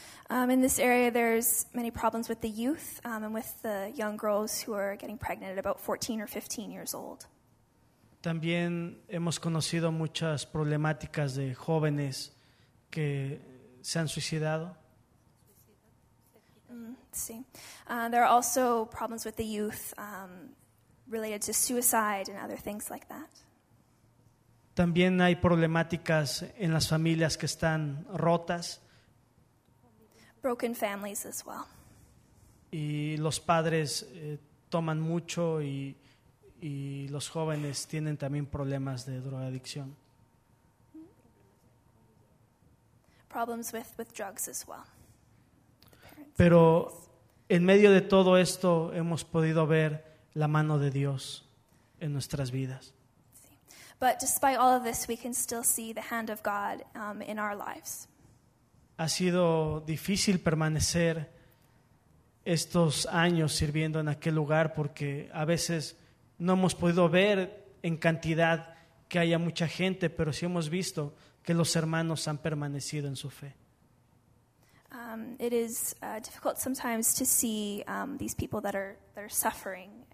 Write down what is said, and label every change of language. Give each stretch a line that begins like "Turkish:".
English: In this area, there's many problems with the youth and with the young girls who are getting pregnant at about 14 or 15 years old.
Spanish: También hemos conocido muchas problemáticas de jóvenes que se han suicidado. Sí.
English: There are also problems with the youth related to suicide and other things like that.
Spanish: También hay problemáticas en las familias que están rotas.
English: Broken families as well.
Spanish: Y los padres toman mucho y los jóvenes tienen también problemas de drogadicción.
English: Problems with drugs as well.
Spanish: Pero en medio de todo esto hemos podido ver la mano de Dios en nuestras vidas.
English: But despite all of this, we can still see the hand of God in our lives.
Spanish: Ha sido difícil permanecer estos años sirviendo en aquel lugar porque a veces no hemos podido ver en cantidad que haya mucha gente, pero sí hemos visto que los hermanos han permanecido en su fe.
English: It is difficult sometimes to see these people that are suffering.